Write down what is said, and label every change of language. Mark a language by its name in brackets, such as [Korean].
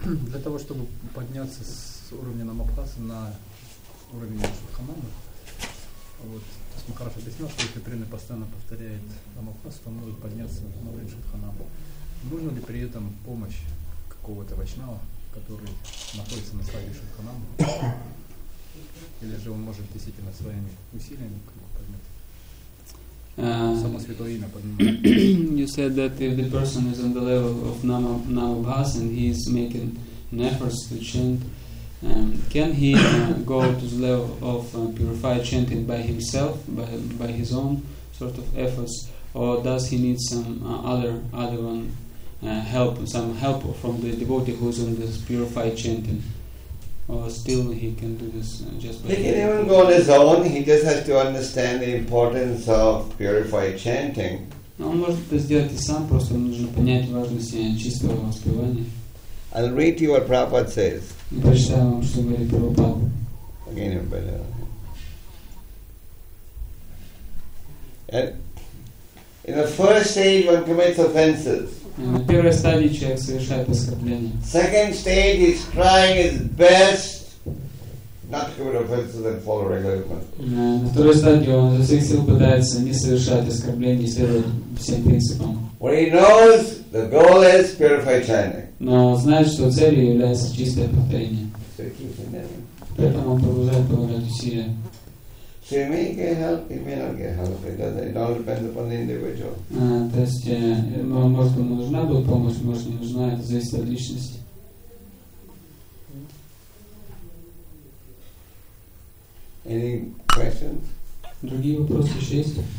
[Russian] Для того, чтобы подняться с уровня Намабхасы на уровень Сурхананда, вот, то есть Махараш объяснял, что если преданный постоянно повторяет Намабхасу, то он может подняться на уровень Сурхананда. Нужна ли при этом помощь какого-то вайшнава, который находится на стадии Сурхананда? Или же он может действительно своими усилиями подняться? [English] You said that if the person is on the level of Namabhas and he is making an effort to chant, can he go to the level of purified chanting by himself, by his own sort of efforts, or does he need some other one help, some help from the devotee who is on this purified chanting? Or still he can do this just by... He can even go on his own. He just has to understand the importance of purified chanting. [Russian] Он может это сделать и сам, просто нужно понять важность чистого воспевания. [English] I'll read to you what Prabhupada says. [Russian] Прочитаю вам, что говорит Прабхупада. [English] Again, everybody. In the first stage, one commits offenses. [Russian] На первой стадии человек совершает оскорбление. [English] Second stage is trying his best not to commit offenses and follow regulations. [Russian] На второй стадии он за всех сил пытается не совершать оскорбления и следовать всем принципам. [English] What he knows, the goal is purified chanting. [Russian] Но знает, что целью является чистое повторение. [English] So keep [Russian] Поэтому продолжает помогать усилия. [English] So you may get help, you may not get help. It all depends upon the individual. [Russian] То есть, может, ему нужна будет помощь, может, не нужна, это зависит от личности. [English] Any questions? [Russian] Другие вопросы еще есть?